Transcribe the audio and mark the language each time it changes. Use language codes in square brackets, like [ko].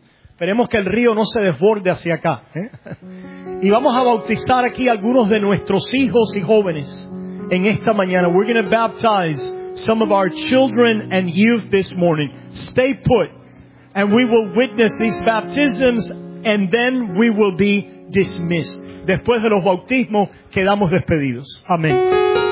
[es] Esperemos que el río no se desborde hacia acá. Y vamos a bautizar aquí algunos de nuestros hijos y jóvenes en esta mañana. [en] We're going to baptize some of our children and youth this morning. Stay put. And we will witness these baptisms and then we will be dismissed. [es] Después de los bautismos, quedamos despedidos. Amén.